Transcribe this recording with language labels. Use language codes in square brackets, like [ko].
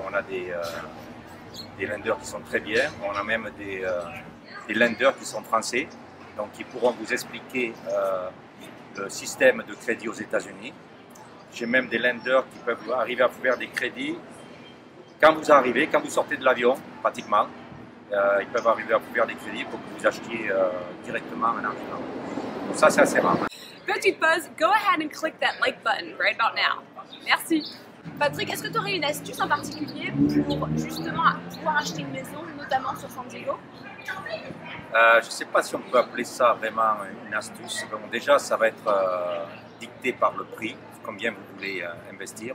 [fr] On a des lenders qui sont très bien. On a même des lenders qui sont français, donc qui pourront vous expliquer le système de crédit aux États-Unis. J'ai même des lenders qui peuvent arriver à vous faire des crédits quand vous arrivez, quand vous sortez de l'avion, pratiquement. Ils peuvent arriver à vous faire des crédits pour que vous achetiez directement un argent. Donc ça, c'est assez rare. Petite pause, [en] go ahead and click that like button right about now. [fr] Merci. Patrick, est-ce que tu aurais une astuce en particulier pour justement pouvoir acheter une maison, notamment sur San Diego? Je ne sais pas si on peut appeler ça vraiment une astuce. Bon, déjà, ça va être dicté par le prix, combien vous voulez investir.